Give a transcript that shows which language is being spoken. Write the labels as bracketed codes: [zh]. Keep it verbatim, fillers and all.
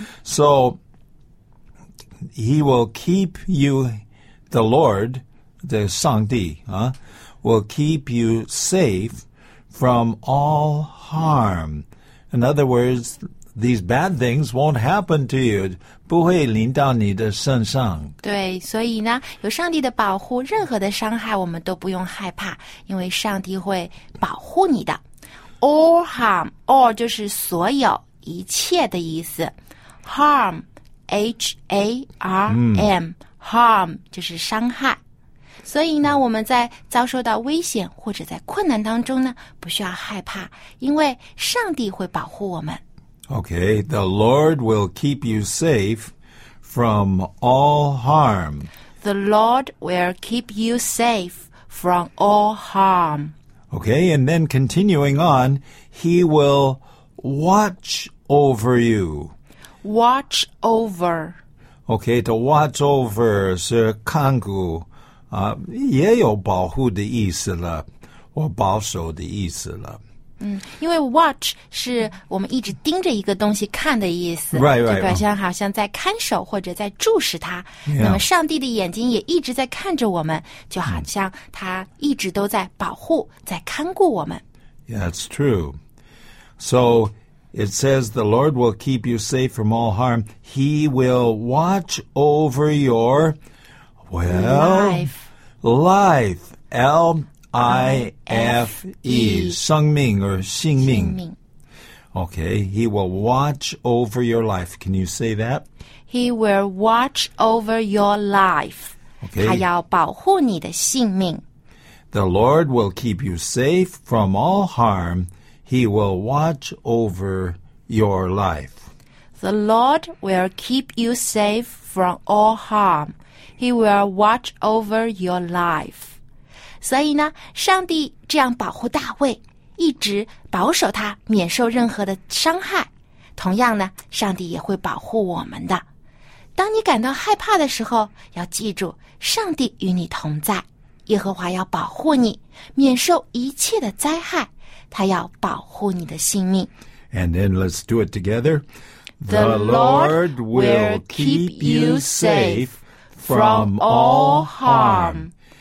[en] So he will keep you, the Lord, the [zh] 上帝啊 [en] will keep you safe from all harm. In other words, these bad things won't happen to you. [zh] 不会临到你的身上。对，所以呢，有上帝的保护，任何的伤害我们都不用害怕，因为上帝会保护你的。 [en] All harm, all [zh] 就是所有一切的意思。 [en] Harm, H A R M,、嗯、harm [zh] 就是伤害。所以呢，我们在遭受到危险或者在困难当中呢，不需要害怕，因为上帝会保护我们。 [en] Okay, the Lord will keep you safe from all harm. The Lord will keep you safe from all harm. Okay, and then continuing on, He will watch over you. Watch over. Okay, to watch over [zh] 是看顾，啊，也有保护的意思了，或保守的意思了。嗯，因为 watch 是我们一直盯着一个东西看的意思， [en] right, right, [zh] 就表现好像在看守或者在注视它。 [en] Yeah. [zh] 那么上帝的眼睛也一直在看着我们，就好像他一直都在保护、嗯、在看顾我们。 [en] Yeah, that's true. So it says the Lord will keep you safe from all harm. He will watch over your well life. Life. L. I F E, 生命 or 性命。 [zh] 性命。 [en] Okay, he will watch over your life. Can you say that? He will watch over your life. Okay. [zh] 他要保护你的性命。 [en] The Lord will keep you safe from all harm. He will watch over your life. The Lord will keep you safe from all harm. He will watch over your life. [zh] 所以呢，上帝这样保护大卫，一直保守他免受任何的伤害。同样呢，上帝也会保护我们的。当你感到害怕的时候，要记住，上帝与你同在，耶和华要保护你，免受一切的灾害，他要保护你的性命。 [en] And then let's do it together. The Lord will keep you safe from all harm.